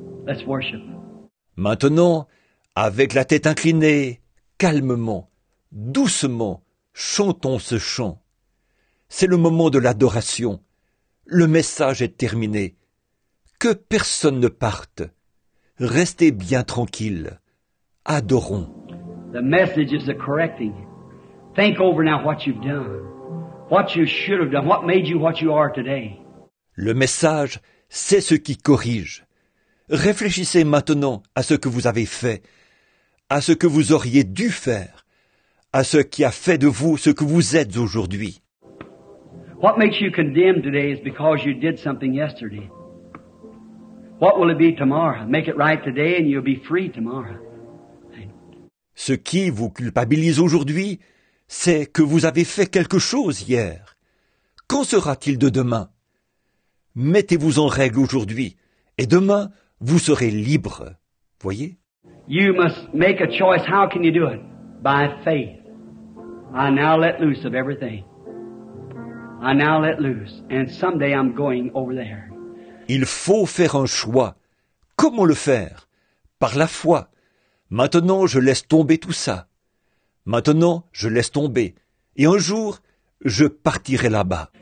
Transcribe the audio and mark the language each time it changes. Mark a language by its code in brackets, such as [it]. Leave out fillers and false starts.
[en] Let's worship. [fr] Maintenant, avec la tête inclinée, calmement, doucement, chantons ce chant. C'est le moment de l'adoration. Le message est terminé. Que personne ne parte. Restez bien tranquille. Adorons. [en] The message is the correcting. Think over now what you've done, what you should have done, what made you what you are today. [fr] Le message, c'est ce qui corrige. Réfléchissez maintenant à ce que vous avez fait, à ce que vous auriez dû faire, à ce qui a fait de vous ce que vous êtes aujourd'hui. [en] What makes you condemned today is because you did something yesterday. What will it be tomorrow? Make it right today and you'll be free tomorrow. [fr] Ce qui vous culpabilise aujourd'hui, c'est que vous avez fait quelque chose hier. Qu'en sera-t-il de demain? Mettez-vous en règle aujourd'hui, et demain, vous serez libre. Voyez? [en] You must make a choice. How can you do it? By faith. I now let loose of everything. I now let loose, and someday I'm going over there. [fr] Il faut faire un choix. Comment le faire? Par la foi. Maintenant, je laisse tomber tout ça. Maintenant, je laisse tomber. Et un jour, je partirai là-bas.